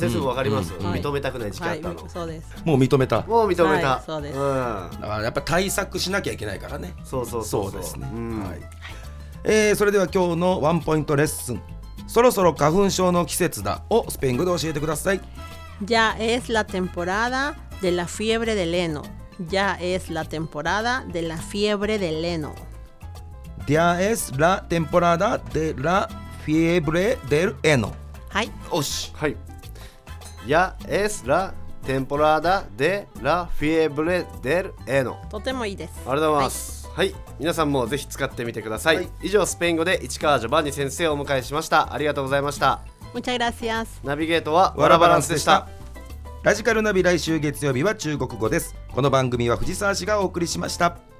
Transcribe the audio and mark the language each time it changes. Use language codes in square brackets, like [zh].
[ja] 先生もわかります、うん、認めたくない時期あったの、はいはい、そうです。もう認めた、もう認めた、はい、そうです。うん、だからやっぱ対策しなきゃいけないからね。そうそうそうそう、そうですね、うん、はい、それでは今日のワンポイントレッスン、そろそろ花粉症の季節だをスペイン語で教えてください。 [es] Ya es la temporada de la fiebre del heno. Ya es la temporada de la fiebre del heno. Ya es la temporada de la fiebre del heno. [ja] はい、 [es] おし、はい、 Ya es la temporada de la fiebre del heno. [ja] とてもいいです。ありがとうございます。はいはい、皆さんもぜひ使ってみてください。はい、以上スペイン語で市川ジョバンニ先生をお迎えしました。ありがとうございました。 [es] Muchas gracias。 [ja] ナビゲートはワラバランスでした。ラジカルナビ、来週月曜日は中国語です。この番組は藤沢氏がお送りしました。